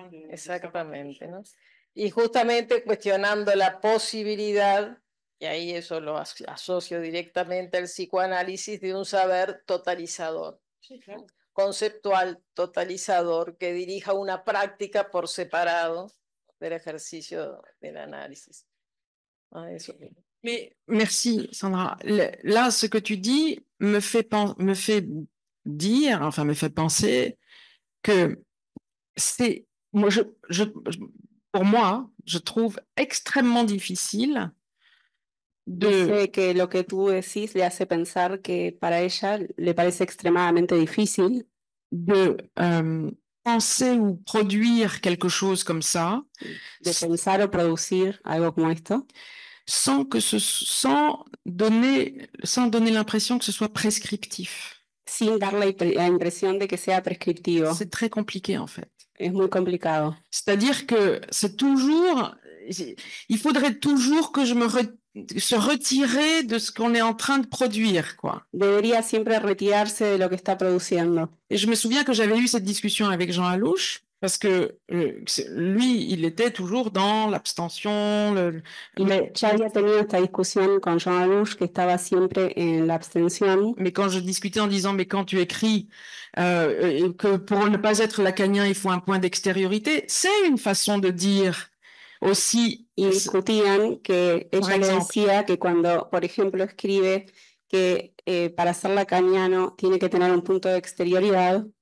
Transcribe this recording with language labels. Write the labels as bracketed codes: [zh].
[es] Exactamente, ¿no? Y justamente cuestionando la posibilidad, y ahí eso lo asocio directamente al psicoanálisis, de un saber totalizador. Sí, claro. Conceptual totalizador que dirija una práctica por separado del ejercicio del análisis. Ah, eso. [fr] Mais merci Sandra. Là, ce que tu dis me fait penser que c'est moi je pour moi, je trouve extrêmement difficile de [es] dice que lo que tú decís le hace pensar que para ella le parece extremadamente difícil [fr] de penser ou produire quelque chose comme ça, [es] de pensar o producir algo como esto, [fr] sans donner l'impression que ce soit prescriptif. [es] Sin dar la impresión de que sea prescriptivo. [fr] C'est très compliqué en fait. [es] Es muy complicado. [fr] C'est-à-dire que c'est toujours, il faudrait toujours que je me se retirer de ce qu'on est en train de produire, quoi. [es] Debería siempre retirarse de lo que está produciendo. [fr] Et je me souviens que j'avais eu cette discussion avec Jean Alouche, parce que lui, il était toujours dans l'abstention. J'avais tenu cette discussion avec Jean Alouche, qui était [es] siempre [fr] en l'abstention. Mais quand je discutais en disant, mais quand tu écris que pour ne pas être lacanien, il faut un point d'extériorité, c'est une façon de dire aussi. [es] Y discutían que ella le decía que cuando, por ejemplo, escribe que para ser lacaniano tiene que tener un punto de exterioridad.